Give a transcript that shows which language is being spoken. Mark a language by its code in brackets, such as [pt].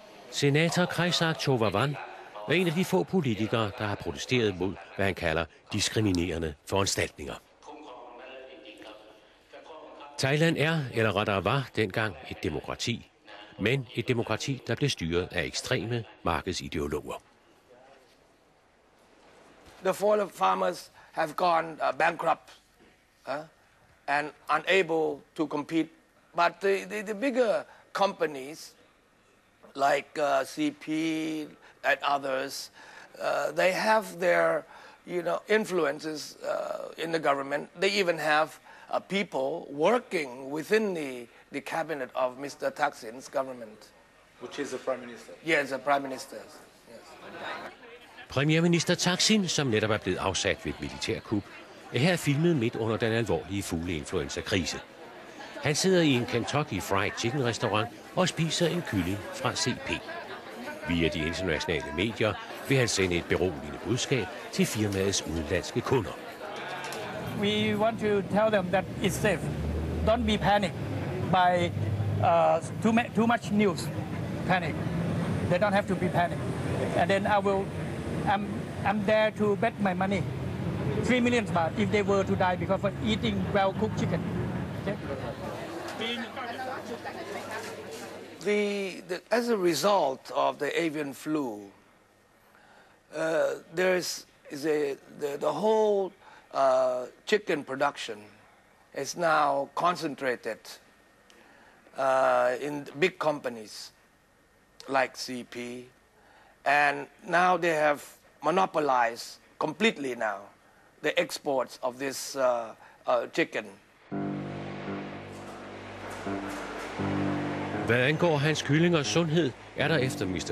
[da] Senator Kreisak Tovavan er en af de få politikere, der har protesteret mod, hvad han kalder diskriminerende foranstaltninger. Thailand er, eller rettere var, dengang et demokrati. Men et demokrati, der blev styret af ekstreme markedsideologer. [en] The fall of farmers have gone bankrupt and unable to compete. But the bigger companies, like CP and others, they have their, you know, influences in the government. They even have people working within the cabinet of Mr. Thaksin's government. Which is the prime minister? Yes, the prime minister. Yes. [da] Premierminister Thaksin, som netop er blevet afsat ved et militærkup, er her filmet midt under den alvorlige fugleinfluenza-krise. Han sidder i en Kentucky Fried Chicken-restaurant og spiser en kylling fra CP. Via de internationale medier vil han sende et beroligende budskab til firmaets udenlandske kunder. [en] We want to tell them that it's safe. Don't be panicked by too much news. Panic. They don't have to be panicked. And then I'm there to bet my money. 3 million baht if they were to die because of eating well-cooked chicken. The as a result of the avian flu, the whole chicken production is now concentrated in big companies like CP, and now they have monopolized completely now the exports of this chicken. [da] Hvad angår hans kyllingers sundhed, er der efter Mr.